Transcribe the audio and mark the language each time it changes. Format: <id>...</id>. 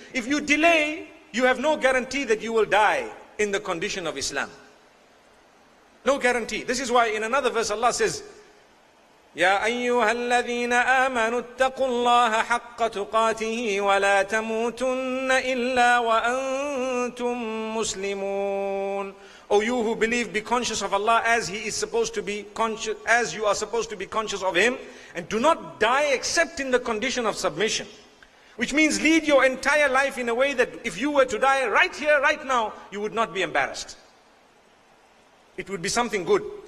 <en>If you delay, you have no guarantee that you will die in the condition of Islam. No guarantee. This is why in another verse Allah says,</en> <ar>يا أيها الذين آمنوا اتقوا الله حق تقاته ولا تموتن إلا وأنتم مسلمون.</ar> <en>O you who believe, be conscious of Allah as He is supposed to be conscious, as you are supposed to be conscious of Him, and do not die except in the condition of submission. Which means lead your entire life in a way that if you were to die right here, right now, you would not be embarrassed. It would be something good.</en>